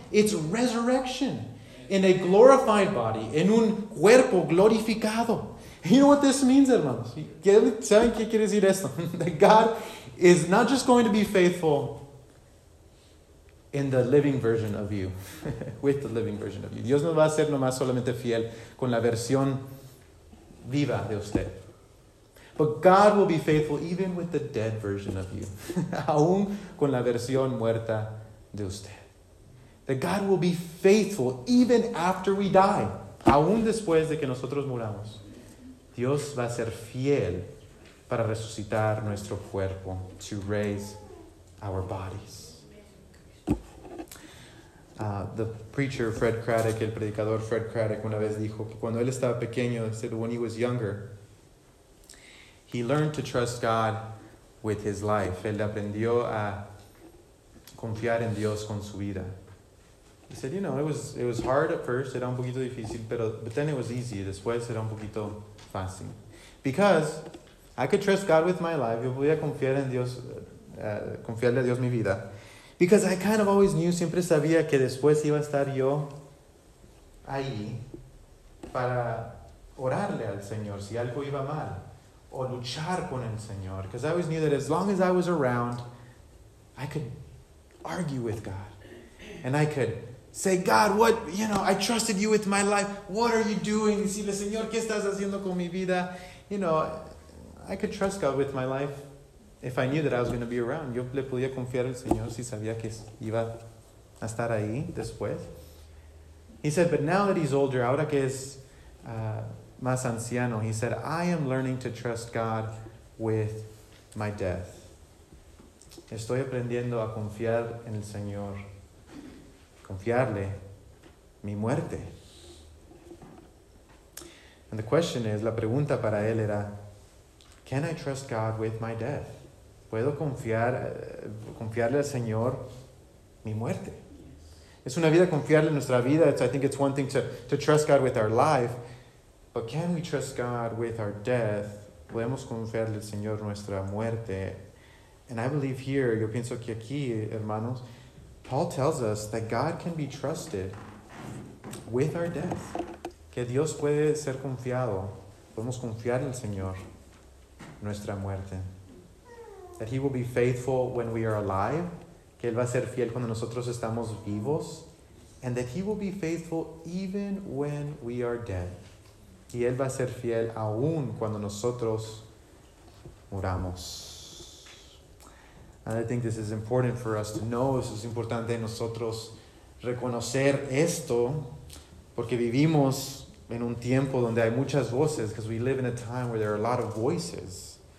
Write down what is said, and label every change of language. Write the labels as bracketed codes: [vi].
[en] It's resurrection in a glorified body, [es] en un cuerpo glorificado. [en] You know what this means, hermanos? [es] ¿Saben qué quiere decir esto? [en] That God is not just going to be faithful in the living version of you, with the living version of you. [es] Dios no va a ser nomás solamente fiel con la versión viva de usted. [en] But God will be faithful even with the dead version of you. [es] Aún con la versión muerta de usted. [en] That God will be faithful even after we die. [es] Aún después de que nosotros muramos. Dios va a ser fiel para resucitar nuestro cuerpo. [en] To raise our bodies. The preacher Fred Craddock, [es] el predicador Fred Craddock, una vez dijo que cuando él estaba pequeño, [en] said when he was younger, he learned to trust God with his life. [es] Él aprendió a confiar en Dios con su vida. [en] He said, you know, it was hard at first. [es] Era un poquito difícil, [en] but then it was easy. [es] Después era un poquito fácil. [en] Because I could trust God with my life. [es] Yo podía confiar en Dios, confiarle a Dios mi vida. [en] Because I kind of always knew, [es] siempre sabía que después iba a estar yo ahí para orarle al Señor si algo iba mal. O luchar con el Señor. [en] Because I always knew that as long as I was around, I could argue with God. And I could say, God, what, you know, I trusted you with my life. What are you doing? [es] Decirle, Señor, ¿qué estás haciendo con mi vida? [en] You know, I could trust God with my life if I knew that I was going to be around. [es] Yo le podía confiar al Señor si sabía que iba a estar ahí después. [en] He said, but now that he's older, [es] ahora que es más anciano, [en] he said, I am learning to trust God with my death. [es] Estoy aprendiendo a confiar en el Señor, confiarle mi muerte. [en] And the question is, [es] la pregunta para él era, [en] can I trust God with my death? [es] ¿Puedo confiarle al Señor mi muerte? Es una vida confiarle nuestra vida. [en] I think it's one thing to trust God with our life. But can we trust God with our death? [es] ¿Podemos confiarle al Señor nuestra muerte? [en] And I believe here, [es] yo pienso que aquí, hermanos, [en] Paul tells us that God can be trusted with our death. [es] Que Dios puede ser confiado. Podemos confiar en el Señor nuestra muerte. [en] That He will be faithful when we are alive. [es] Que él va a ser fiel cuando nosotros estamos vivos. [en] And that he will be faithful even when we are dead. [es] Y él va a ser fiel aún cuando nosotros muramos. [en] And I think this is important for us to know. [es] Eso es importante nosotros reconocer esto. Porque vivimos en un tiempo donde hay muchas voces. [en] Because we live in a time where there are a lot of voices.